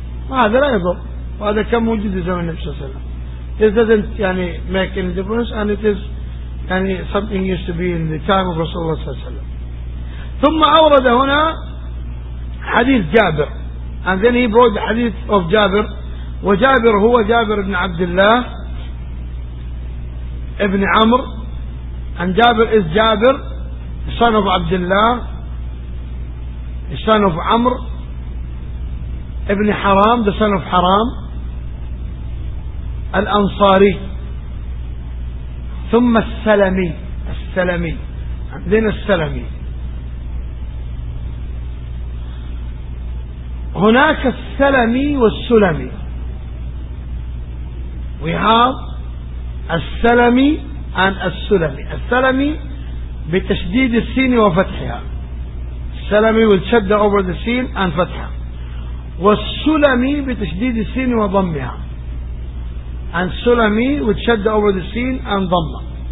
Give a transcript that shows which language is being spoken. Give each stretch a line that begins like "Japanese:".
Arabic: هذا لا يضر, وهذا كان موجود في زمن النبي صلى الله عليه وسلم.
English: This doesn't يعني make any difference, and it is يعني something used to be in the time of Rasulullah
Arabic: صلى الله عليه وسلم. ثم أورد هنا حديث جابر,
English: and then he brought the hadith of جابر.
Arabic: وجابر هو جابر بن عبد الله ابن عمرو,
English: and جابر is جابر son of عبد الله son of عمرو ابن حرام the son of حرام الأنصاري.
Arabic: ثم السلمي, السلمي دين السلمي. هناك السلمي والسلمي.
English: We have السلمي and السلمي.
Arabic: السلمي بتشديد السين وفتحها. السلمي والشدة
English: over the
Arabic: سين and فتحها. والسلمي بتشديد السين وضمها.
English: And سلمي
Arabic: والشدة
English: over the سين and ضمها.